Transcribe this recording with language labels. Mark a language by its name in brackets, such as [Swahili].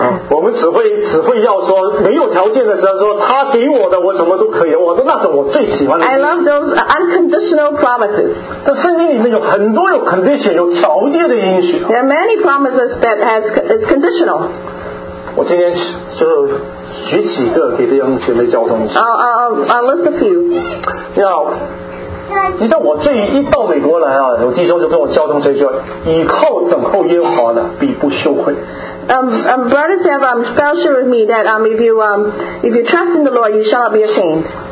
[Chinese] 我们只会要说没有条件的时候，说他给我的，我什么都可以，我都那种我最喜欢的。 [English] I love those unconditional promises. [Chinese] 这圣经里面有很多有 condition 有条件的应许。 [English] There are many promises that is conditional. [Chinese] 我今天就举几个给弟兄姐妹交通。I'll [English] list a few. [Chinese] 你知道我这一到美国来啊，有弟兄就跟我交通这句话：依靠等候耶和华的，必不羞愧。 [English] Brothers have fellowship with me that if you trust in the Lord, you shall not be ashamed.